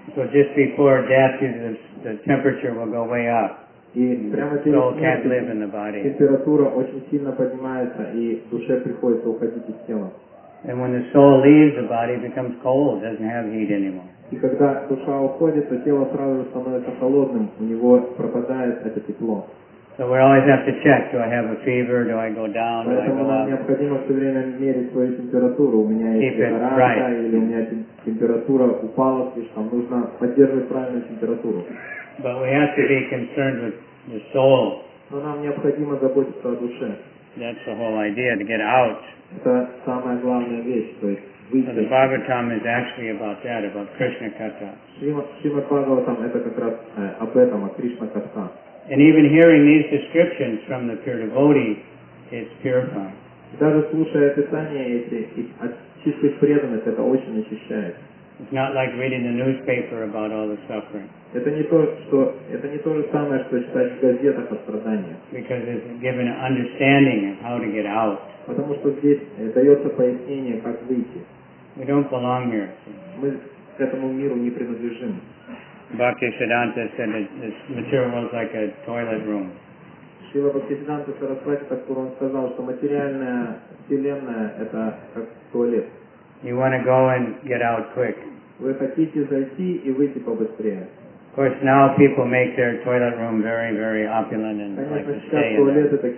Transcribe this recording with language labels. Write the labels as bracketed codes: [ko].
[en] So just before death, the temperature will go way up. [ru] И прямо перед смертью температура очень сильно поднимается, и душе приходится уходить из тела. [en] And when the soul leaves, the body becomes cold, doesn't have heat anymore. [ru] И когда душа уходит, то тело сразу же становится холодным, у него пропадает это тепло. [en] So we always have to check, do I have a fever, do I go down, do I go up? [ru] Поэтому нам необходимо все время мерить свою температуру. У меня есть температура, [en] right. [ru] Или у меня температура упала слишком. Нужно поддерживать правильную температуру. [en] But we have to be concerned with the soul. [ru] Но нам необходимо заботиться о душе. [en] That's the whole idea, to get out. [ru] Это самая главная вещь, то есть выйти. [en] So the Bhagavatam is actually about that, about Krishna Katha. [ru] Шримад Бхагаватам это как раз об этом, о Кришна Катха. [en] And even hearing these descriptions from the pure devotee, it's purifying. [ru] Даже слушая описания эти от чистых преданных, это очень очищает. [en] It's not like reading the newspaper about all the suffering. [ru] Это не то же самое, что читать в газетах о страданиях. [en] Because it's given an understanding of how to get out. [ru] Потому что здесь дается пояснение, как выйти. [en] We don't belong here. [ru] Мы к этому миру не принадлежим. [en] Bhakti Siddhanta said that this material world is like a toilet room. [ru] Шрила Бхактисиддханта Сарасвати Такур, он сказал, что материальная вселенная — это как туалет. [en] You want to go and get out quick. [ru] Вы хотите зайти и выйти побыстрее. [en] Of course, now people make their toilet room very, very opulent and like to stay in it.